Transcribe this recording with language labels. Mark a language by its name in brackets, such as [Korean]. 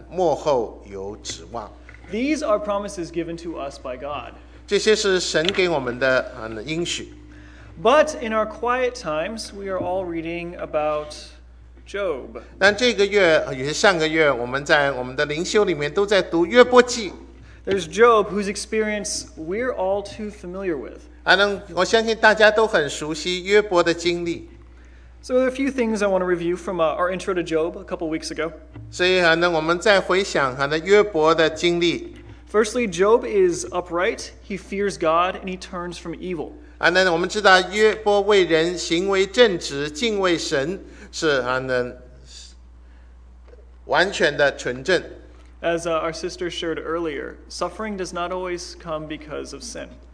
[Chinese] 另一个大家很熟悉的可能是耶利米书29:11节。耶和华说，我知道我向你们所怀的意念是平安的意念，不是降灾祸的意念，要叫你们末后有指望。 [English] These are promises given to us by God. [Chinese] 这些是神给我们的应许。 [English] But in our quiet times, we are all reading about Job. [Chinese] 但这个月，也是上个月，我们在我们的灵修里面都在读约伯记。 [English] There's Job, whose experience we're all too familiar with. [Chinese] 我相信大家都很熟悉约伯的经历。 [English] So there are a few things I want to review from our intro to Job a couple weeks ago. [Chinese] 所以我们再回想约伯的经历。 [English] Firstly, Job is upright. He fears God and he turns from evil. [Chinese] 我们知道约伯为人行为正直，敬畏神。是完全的纯正。 [English] As our sister shared earlier, suffering does not always come because of sin.